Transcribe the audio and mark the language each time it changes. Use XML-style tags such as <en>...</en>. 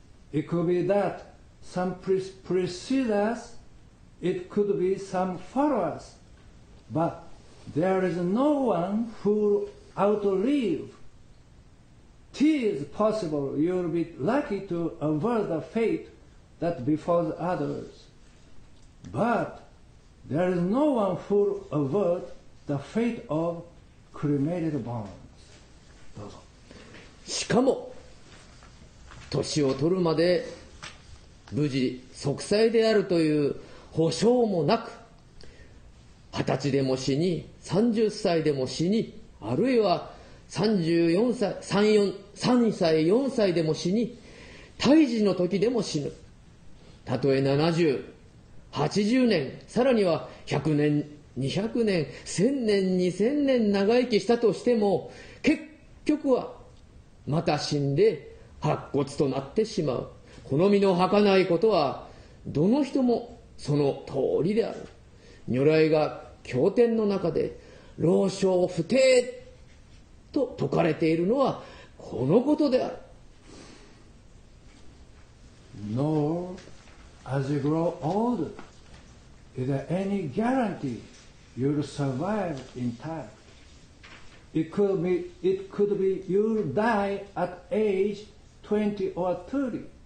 <en>It could be that some precede us, it could be some follow us, but there is no one who will outlive. It is possible you will be lucky to avert the fate that befalls others, but... There is no one who avert the fate of cremated bones.</en> <ja>どうぞ。しかも、年を取るまで無事息災であるという保証もなく、二十歳でも死に、三十歳でも死に、あるいは三歳、四歳でも死に、胎児の時でも死ぬ。たとえ七十、80年、さらには100年、200年、1000年、2000年長生きしたとしても、結局はまた死んで白骨となってしまう。この身の儚いことは、どの人もその通りである。如来が経典の中で老少不定と説かれているのはこのことである。</ja> <en>Nor as you grow old is there any guarantee you'll survive in time. It could be you'll die at age 20 or 30.</en>